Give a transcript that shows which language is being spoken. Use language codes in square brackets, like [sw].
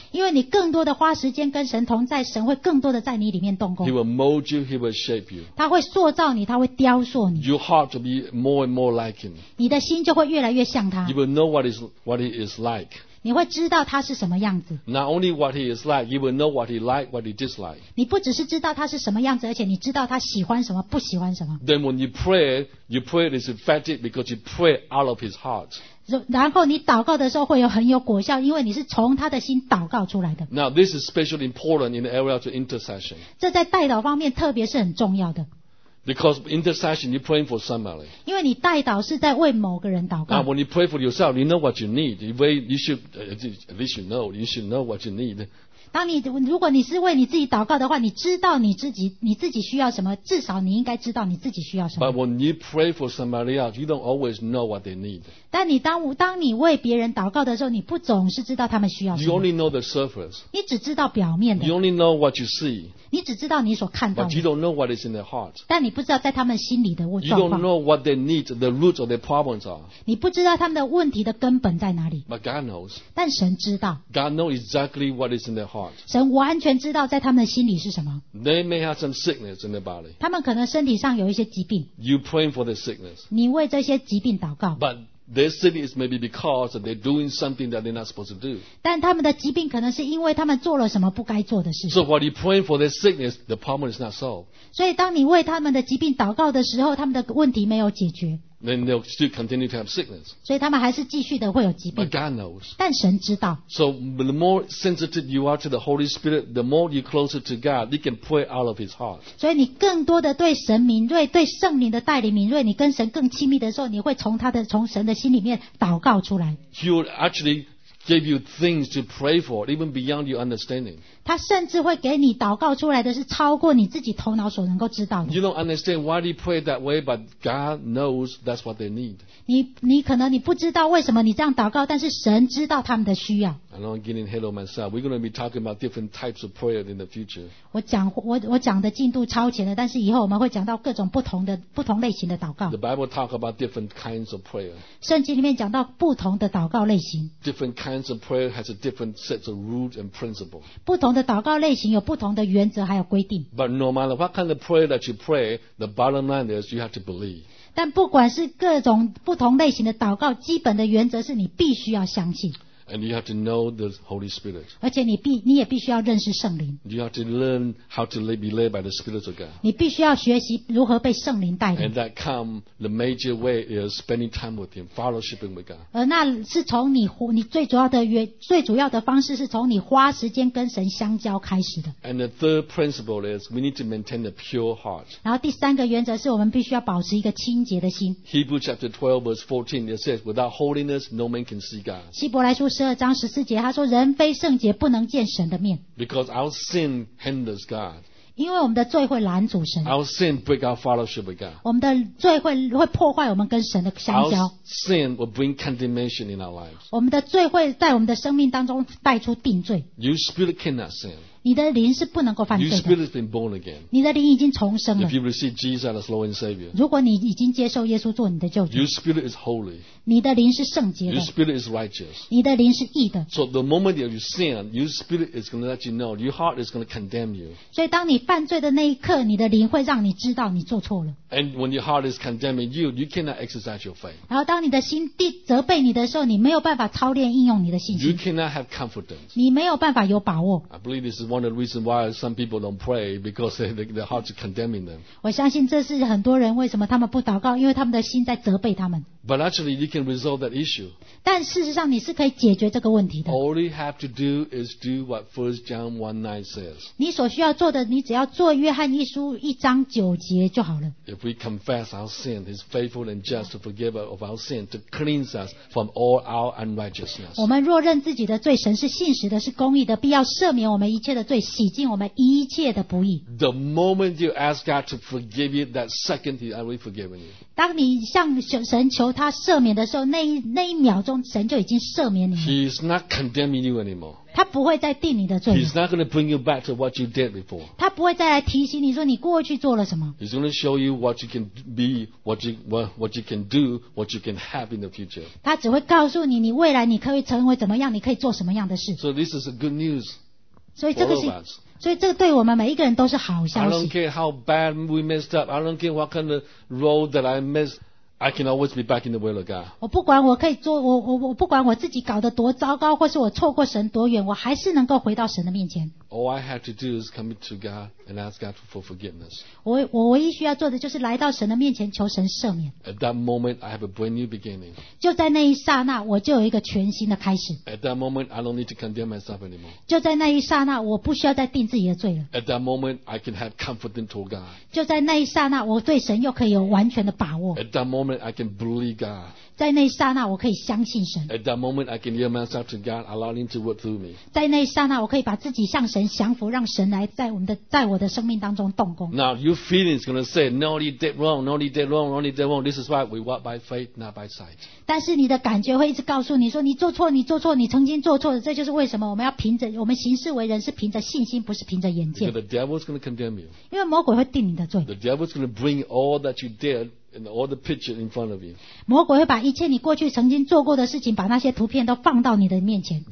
[zh] 因为你更多的花时间跟神同在，神会更多的在你里面动工。 [en] He will mold you, He will shape you. [zh] 他会塑造你，他会雕塑你。 [en] Your heart will be more and more like Him. [zh] 你的心就会越来越像他。 [en] You will know what He is like. [zh] 你会知道他是什么样子。 [en] Not only what he is like, you will know what he likes, what he dislikes. [zh] 你不只是知道他是什么样子，而且你知道他喜欢什么，不喜欢什么。 [en] Then when you pray is effective because you pray out of his heart. [zh] 然后你祷告的时候会有很有果效，因为你是从他的心祷告出来的。 [en] Now this is especially important in the area of intercession. [zh] 这在代祷方面特别是很重要的。 [en] Because intercession, you're praying for somebody. [zh] 因为你代祷是在为某个人祷告。 [en] Now, when you pray for yourself, you know what you need. You should know what you need. [zh] 当你如果你是为你自己祷告的话，你知道你自己需要什么，至少你应该知道你自己需要什么。 [en] But when you pray for somebody else, you don't always know what they need. [zh] 但你当你为别人祷告的时候，你不总是知道他们需要什么。 [en] You only know the surface. [zh] 你只知道表面的。 [en] You only know what you see. [zh] 你只知道你所看到的 [en] But you don't know what is in their heart. [zh] 但你不知道在他们心里的状况 [en] You don't know what they need, the root of their problems are. [zh] 你不知道他们的问题的根本在哪里 [en] But God knows. [zh] 但神知道 [en] God knows exactly what is in their heart. [zh] 神完全知道在他们的心里是什么 [en] They may have some sickness in their body. [zh] 他们可能身体上有一些疾病 [en] You praying for the sickness. [zh] 你为这些疾病祷告 [en] ButTheir sickness may be because they're doing something that they're not supposed to do. [zh] 但他们的疾病可能是因为他们做了什么不该做的事。 [en] So while you're praying for their sickness, the problem is not solved. [zh] 所以当你为他们的疾病祷告的时候，他们的问题没有解决。 [en] Then they'll still continue to have sickness. [zh] 所以他们还是继续的会有疾病。 [en] But God knows. [zh] 但神知道。 [en] So the more sensitive you are to the Holy Spirit, the more you're closer to God, you can pray out of His heart. [zh] 所以你更多的对神敏锐，对圣灵的带领敏锐，你跟神更亲密的时候，你会从神的心里面祷告出来。 [en] He will actually give you things to pray for, even beyond your understanding. [zh] 他甚至会给你祷告出来的是超过你自己头脑所能够知道的。 [en] You don't understand why they pray that way, but God knows that's what they need. [zh] 你可能你不知道为什么你这样祷告，但是神知道他们的需要。 [en] I know I'm getting ahead of myself. We're going to be talking about different types of prayer in the future. [zh] 我讲的进度超前了，但是以后我们会讲到各种不同类型的祷告。 [en] The Bible talks about different kinds of prayer. [zh] 圣经里面讲到不同的祷告类型。 [en] Different kinds of prayer has a different sets of rules and principles. [zh] 不同的祷告类型有不同的原则还有规定。 [en] But no matter what kind of prayer that you pray, the bottom line is you have to believe. [zh] 但不管是各种不同类型的祷告，基本的原则是你必须要相信。 [en] And you have to know the Holy Spirit. [zh] 而且你也必须要认识圣灵。 [en] You have to learn how to be led by the Spirit of God. [zh] 你必须要学习如何被圣灵带领。 [en] And that come the major way is spending time with Him, fellowshipping with God. [zh] 而那是从你最主要的原最主要的方式是从你花时间跟神相交开始的。 [en] And the third principle is we need to maintain a pure heart. [zh] 然后第三个原则是我们必须要保持一个清洁的心。 [en] Hebrews chapter 12 verse 14 it says, without holiness, no man can see God. [zh] 希伯来书十二章十四节，他说：“人非圣洁，不能见神的面。” [en] Because our sin hinders God. [zh] 因为我们的罪会拦阻神。 [en] Our sin break our fellowship with God. [zh] 我们的罪会破坏我们跟神的相交。 [en] Our sin will bring condemnation in our lives. [zh] 我们的罪会在我们的生命当中带出定罪。 [en] Your spirit cannot sin. [zh] 你的灵是不能够犯罪的。 [en] Your spirit has been born again. [zh] 你的灵已经重生了。 [en] If you receive Jesus as Lord and Savior, [zh] 如果你已经接受耶稣做你的救主。 [en] Your spirit is holy. [zh] 你的灵是圣洁的。 [en] Your spirit is righteous. [zh] 你的灵是义的。 [en] So the moment that you sin, your spirit is going to let you know, your heart is going to condemn you. [zh] 所以当你犯罪的那一刻，你的灵会让你知道你做错了。 [en] And when your heart is condemning you, you cannot exercise your faith. [zh] 然后当你的心责备你的时候，你没有办法操练应用你的信心。 [en] You cannot have confidence. [zh] 你没有办法有把握。 [en] I believe this is one of the reasons why some people don't pray because their hearts are condemning them. [zh] 我相信这是很多人为什么他们不祷告，因为他们的心在责备他们。 [en] But actually, you can resolve that issue. [zh] 但事实上，你是可以解决这个问题的。 [en] All you have to do is do what 1 John 1:9 says. [zh] 你所需要做的，你只要做约翰一书一章九节就好了。 [en] If we confess our sin, He's faithful and just to forgive us of our sin, to cleanse us from all our unrighteousness. [zh] 我们若认自己的罪，神是信实的，是公义的，必要赦免我们一切的罪，洗净我们一切的不义。 [en] The moment you ask God to forgive you, that second He already forgiven you. [zh] 当你向神求他赦免的时候，那一秒钟，神就已经赦免你了。 [en] He is not condemning you anymore. [zh] 他不会再定你的罪。 [en] He is not going to bring you back to what you did before. [zh] 他不会再来提醒你说你过去做了什么。 [en] He's going to show you what you can be, what you can do, what you can have in the future. [zh] 他只会告诉你，你未来你可以成为怎么样，你可以做什么样的事。 [en] So this is a good news. [zh] 所以这个是。所以这对我们每一个人都是好消息。 [en] I don't care how bad we messed up. I don't care what kind of role that I missed. I can always be back in the will of God. [zh] 我不管我可以做，我不管我自己搞得多糟糕，或是我错过神多远，我还是能够回到神的面前。 [en] All I have to do is come to God and ask God for forgiveness. [zh] 我唯一需要做的就是来到神的面前求神赦免。 [en] At that moment, I have a brand new beginning. [zh] 就在那一刹那，我就有一个全新的开始。 [en] At that moment, I don't need to condemn myself anymore. [zh] 就在那一刹那，我不需要再定自己的罪了。 [en] At that moment, I can have confidence toward God. [zh] 就在那一刹那，我对神又可以有完全的把握。 [en] At that moment, I can believe God. [zh] 在那一刹那，我可以相信神。 [en] At that moment, I can yield myself to God, allowing Him to work through me. [zh] 在那一刹那，我可以把自己向神降服，让神来在我的生命当中动工。 [en] Now your feelings gonna say, "No, you did wrong. No, you did wrong. No, you did wrong." This is why we walk by faith, not by sight. [zh] 但是你的感觉会一直告诉你说，你做错，你做错，你曾经做错的，这就是为什么我们要凭着我们行事为人是凭着信心，不是凭着眼见。 [en] Because the devil's gonna condemn you. [zh] 因为魔鬼会定你的罪。 [en] The devil's gonna bring all that you did. And all the picture in front of you. [zh] 魔鬼会把一切你过去曾经做过的事情，把那些图片都放到你的面前。